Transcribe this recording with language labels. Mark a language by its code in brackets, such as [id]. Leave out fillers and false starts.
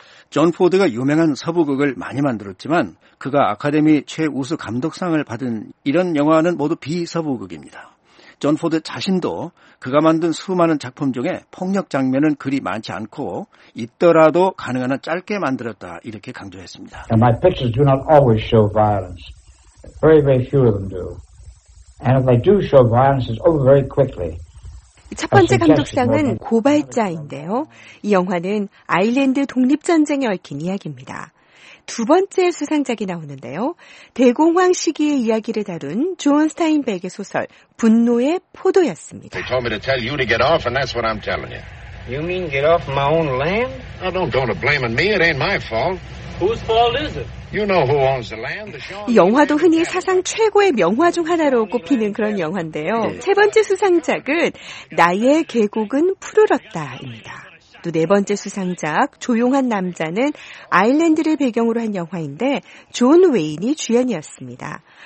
[ko] 존 포드가 유명한 서부극을 많이 만들었지만 그가 아카데미 최우수 감독상을 받은 이런 영화는 모두 비서부극입니다. 존 포드 자신도 그가 만든 수많은 작품 중에 폭력 장면은 그리 많지 않고 있더라도 가능한 한 짧게 만들었다 이렇게 강조했습니다. [en] Now my pictures do not always show violence. Very, very few of them do. And if they do show violence, it's over very quickly. [ko] 첫 번째 감독상은 고발자인데요. 이 영화는 아일랜드 독립전쟁에 얽힌 이야기입니다. 두 번째 수상작이 나오는데요. 대공황 시기의 이야기를 다룬 존 스타인백의 소설 분노의 포도였습니다. [en] They told me to tell you to get off and that's what I'm telling you. You mean get off my own land? Now don't go to blaming me. It ain't my fault. Whose fault is it? You know who owns the land, the Shawnee. [ko] 이 영화도 흔히 사상 최고의 명화 중 하나로 꼽히는 그런 영화인데요. 네. 세 번째 수상작은 나의 계곡은 푸르렀다입니다. 또 네 번째 수상작 조용한 남자는 아일랜드를 배경으로 한 영화인데 존 웨인이 주연이었습니다.